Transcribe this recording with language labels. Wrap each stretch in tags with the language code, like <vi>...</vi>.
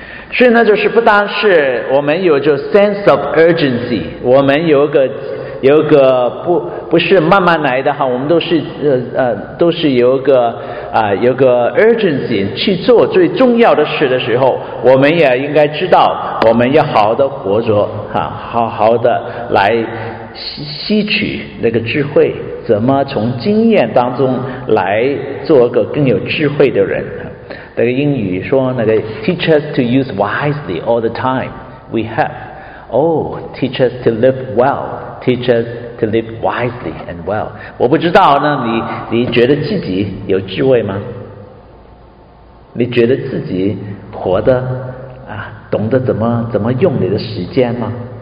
<zh>所以呢，就是不单是我们有就</zh> <en>sense of urgency，</en> <zh>我们有个不是慢慢来的哈，我们都是有个 urgency 去做最重要的事的时候，我们也应该知道，我们要好好的活着哈、啊，好好的来吸取那个智慧。怎么从经验当中来做个更有智慧的人？那个英语说，那个</zh> <en>teach us to use wisely all the time we have. Oh, teach us to live well. Teach us to live wisely and well.</en> <zh>我不知道呢，你觉得自己有智慧吗？你觉得自己活得懂得怎么用你的时间吗？</zh>